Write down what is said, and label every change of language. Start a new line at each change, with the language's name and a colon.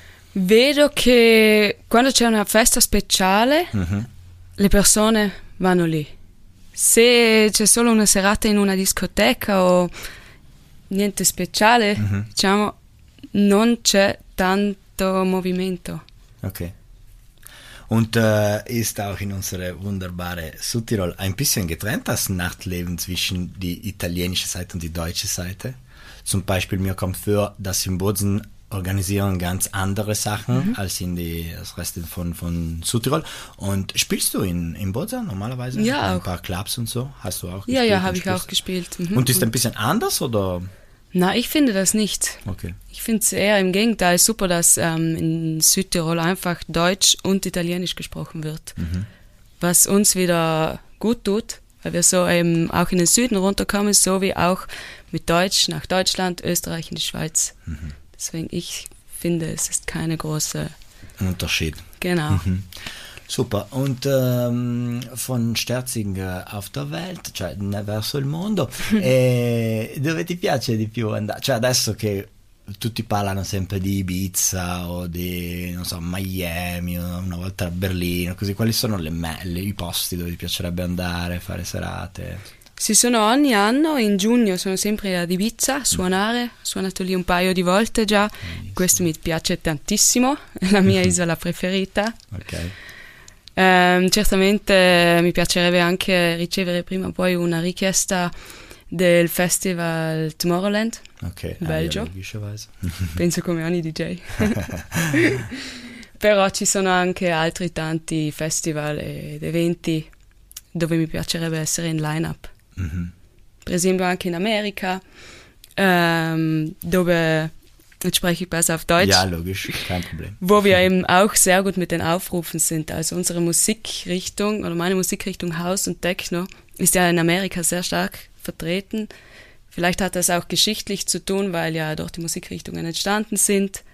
Italian: Vedo che quando c'è una festa speciale, mm-hmm, le persone vanno lì. Se c'è solo una serata in una discoteca o niente speciale, mm-hmm, diciamo, non c'è tanto movimento. Ok.
German: Und ist auch in unsere wunderbare Südtirol ein bisschen getrennt das Nachtleben zwischen die italienische Seite und die deutsche Seite? Zum Beispiel, mir kommt vor, dass in Bozen organisieren ganz andere Sachen, mhm, als in die das Rest von Südtirol. Und spielst du in Bozen normalerweise? Ja, ein auch. Ein paar Clubs und so? Hast du auch gespielt? Ja, habe ich auch gespielt. Mhm. Und ist ein bisschen anders, oder? Nein, ich finde das nicht. Okay. Ich finde es eher im Gegenteil super, dass in Südtirol einfach Deutsch und Italienisch gesprochen wird. Mhm. Was uns wieder gut tut, weil wir so eben auch in den Süden runterkommen, so wie auch mit Deutsch nach Deutschland, Österreich und die Schweiz. Mhm. Deswegen, ich finde, es ist keine große... Ein Unterschied. Genau. Mhm. Super. Und von Sterzing auf der Welt,
Italian: cioè verso il mondo,
German: dove ti piace di più andare?
Italian: Cioè adesso che tutti parlano sempre di Ibiza o di, non so, Miami, una volta a Berlino, così, quali sono i posti dove ti piacerebbe andare, fare serate? Sì, sono ogni anno, in giugno sono sempre ad Ibiza a suonare, suonato lì un paio di volte già, bellissimo. Questo mi piace tantissimo, è la mia isola preferita. Ok. Certamente mi piacerebbe anche ricevere prima o poi una richiesta del festival Tomorrowland, okay, in Belgio, penso come ogni DJ, però ci sono anche altri tanti festival ed eventi dove mi piacerebbe essere in lineup, mm-hmm. per esempio anche in America, dove...
German: Jetzt spreche ich besser auf Deutsch. Ja, logisch, kein Problem. Wo wir eben auch sehr gut mit den Aufrufen sind. Also unsere Musikrichtung oder meine Musikrichtung House und Techno ist ja in Amerika sehr stark vertreten. Vielleicht hat das auch geschichtlich zu tun, weil ja dort die Musikrichtungen entstanden sind.